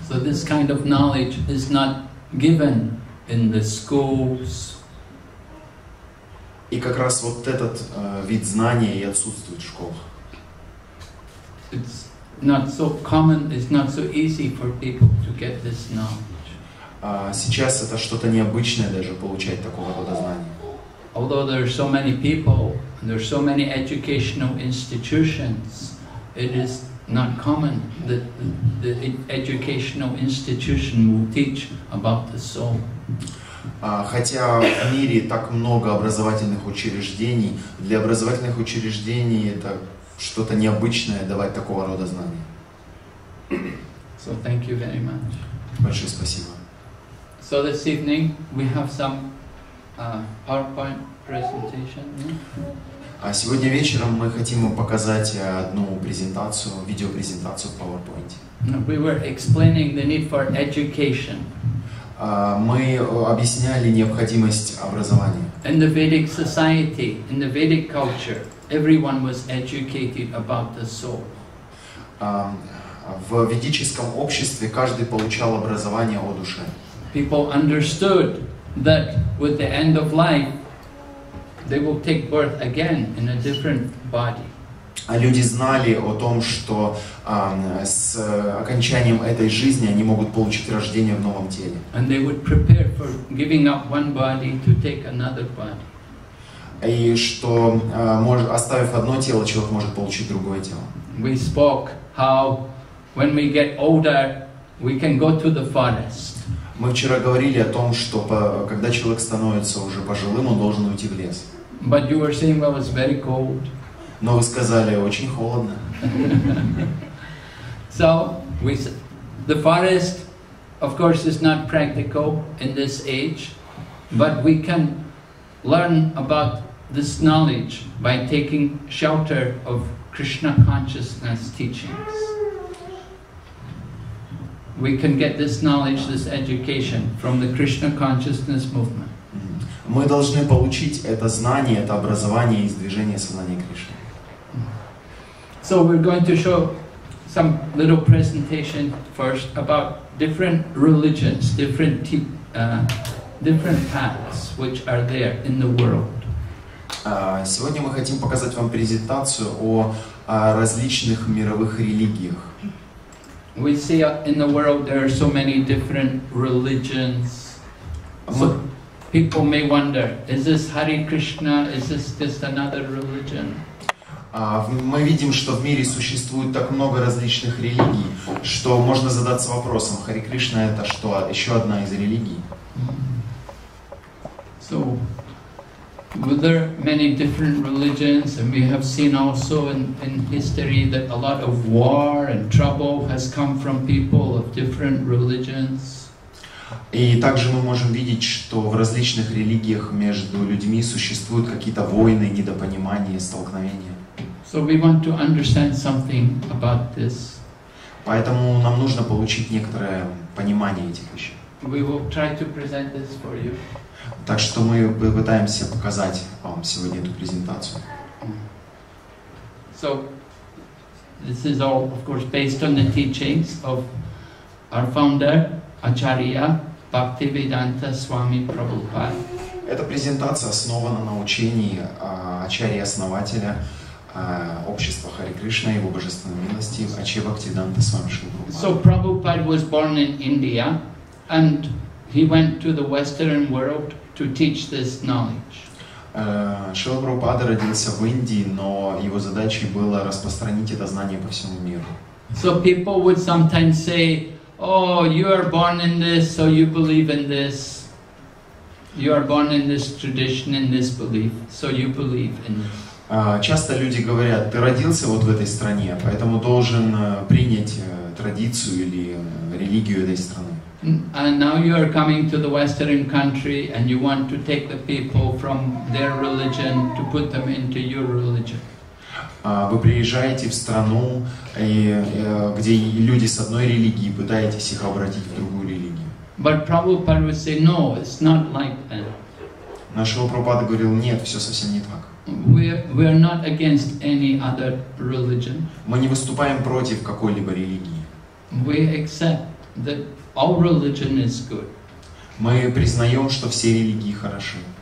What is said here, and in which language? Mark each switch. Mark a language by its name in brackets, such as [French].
[English] So this kind of knowledge is not given in the schools. [Russian] И как раз вот этот вид знания и отсутствует в школах. [English] It's not so common, it's not so easy for people to get this knowledge. [Russian] Сейчас это что-то необычное даже получать такого рода знания. [English] Although there are so many people, and there are so many educational institutions, it is not common that the educational institution will teach about the soul. [Russian] Хотя в мире так много образовательных учреждений, для образовательных учреждений это что-то необычное давать такого рода знания. [English] So thank you very much. [Russian] Большое спасибо. [English] So this evening we have some PowerPoint presentation. [Russian] А сегодня вечером мы хотим показать одну презентацию, видеопрезентацию в PowerPoint. [English] We were explaining the need for education. [Russian] Мы объясняли необходимость образования. [English] In the Vedic society, in the Vedic culture, everyone was educated about the soul. [Russian] В ведическом обществе каждый получал образование о душе. [English] People understood that with the end of life, they will take birth again in a different body. [Russian] А люди знали о том, что с окончанием этой жизни они могут получить рождение в новом теле. [English] And they would prepare for giving up one body to take another body. [Russian] И что, оставив одно тело, человек может получить другое тело. [English] We spoke how when we get older, we can go to the forest. [Russian] Мы вчера говорили о том, что когда человек становится уже пожилым, он должен уйти в лес. [English] But you were saying that was very cold. [Russian] Но вы сказали, очень холодно. [English] So, the forest, of course, is not practical in this age, but we can learn about this knowledge by taking shelter of Krishna consciousness teachings. We can get this knowledge, this education from the Krishna consciousness movement. [Russian] Мы должны получить это знание, это образование из движения сознания Кришны. [English] So we're going to show some little presentation first about different religions, different paths which are there in the world. [Russian] Сегодня мы хотим показать вам презентацию о различных мировых религиях. [English] We see in the world there are so many different religions. So people may wonder, is this Hare Krishna? Is this just another religion? [Russian] Мы видим, что в мире существует так много различных религий, что можно задаться вопросом, Харе Кришна это что, еще одна из религий? [English] So, there are many different religions, and we have seen also in history that a lot of war and trouble has come from people of different religions. [Russian] И также мы можем видеть, что в различных религиях между людьми существуют какие-то войны, недопонимания, столкновения. [English] So we want to understand something about this. [Russian] Поэтому нам нужно получить некоторое понимание этих вещей. [English] We will try to present this for you. [Russian] Так что мы попытаемся показать вам сегодня эту презентацию. [English] So, this is all, of course, based on the teachings of our founder, Acharya Bhaktivedanta Swami Prabhupada. [Russian] Эта презентация основана на учении Ачарьи-основателя общества Хари Кришна и его божественной милости, Ачарьи-бхактивиданта Свами Прабхупады. [English] So, Prabhupada was born in India, and he went to the Western world to teach this knowledge. [Russian] Шрила Прабхупада родился в Индии, но его задачей было распространить это знание по всему миру. [English] So people would sometimes say, "Oh, you are born in this, so you believe in this. You are born in this tradition, in this belief, so you believe in this." [Russian] Часто люди говорят: "Ты родился вот в этой стране, поэтому должен принять традицию или религию этой страны." [English] And now you are coming to the Western country, and you want to take the people from their religion to put them into your religion. [Russian] Вы приезжаете в страну, где люди с одной религии пытаетесь их обратить в другую религию. [English] But Prabhupada would say, "No, it's not like that." [Russian] Наш Прабхупада говорил: "Нет, все совсем не так." [English] We are not against any other religion. [Russian] Мы не выступаем против какой-либо религии. [English] We accept that. All religion is good. [Russian] Мы признаем, что все религии хороши.